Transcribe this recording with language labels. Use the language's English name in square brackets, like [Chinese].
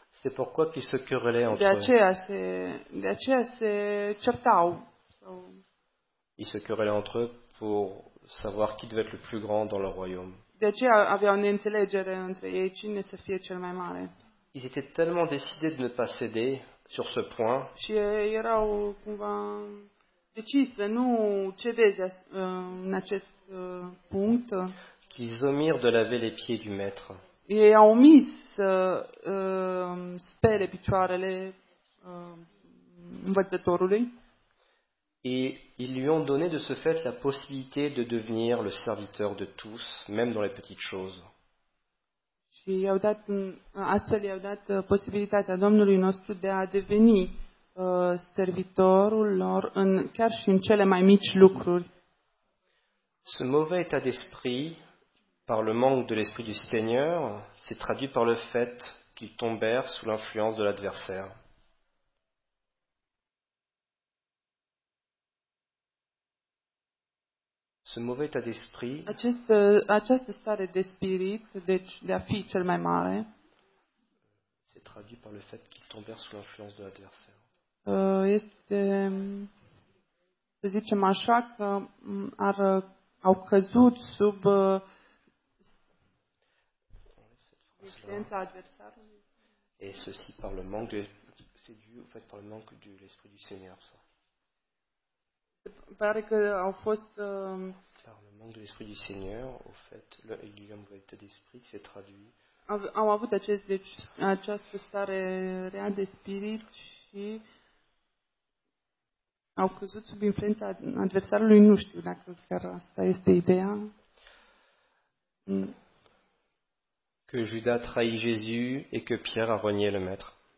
[French] C'est pourquoi qu'ils se querellaient entre eux. [Romanian] De aceea se certau. [French] Ils se querellaient entre eux pour savoir qui devait être le plus grand dans leur royaume. [Romanian] De aceea aveau neînțelegere între ei cine să fie cel mai mare. [French] Ils étaient tellement décidés de ne pas céder sur ce point. [Romanian] Și erau cumva decis să nu cedeze în acest punct. [French] Qu'ils omirent de laver les pieds du maître. [Romanian] Ei au omis să spele picioarele învățătorului. [French] Et ils lui ont donné de ce fait la possibilité de devenir le serviteur de tous, même dans les petites choses. [Romanian] Și i-au dat posibilitatea Domnului nostru de a deveni servitorul lor în chiar și în cele mai mici lucruri. [French] Ce mauvais état d'esprit, par le manque de l'esprit du Seigneur, s'est traduit par le fait qu'ils tombèrent sous l'influence de l'adversaire. Ce mauvais état d'esprit, [Romanian] această stare de spirit, deci de a fi cel mai mare, [French] s'est traduit par le fait qu'ils tombèrent sous l'influence de l'adversaire. [Romanian] Este, să zicem așa, că au căzut sub influența adversarului. [French] Et ceci par le manque de, c'est dû au fait par le manque de l'esprit du Seigneur. Ça. [Romanian] Pare că au fost [French] par le manque de l'esprit du Seigneur, au fait, le mauvais état d'esprit s'est traduit. [Romanian] Au avut această stare rea de spirit și au căzut sub influența adversarului, nu știu dacă chiar asta este ideea. [French] Que Judas trahit Jésus et que Pierre a renié le maître.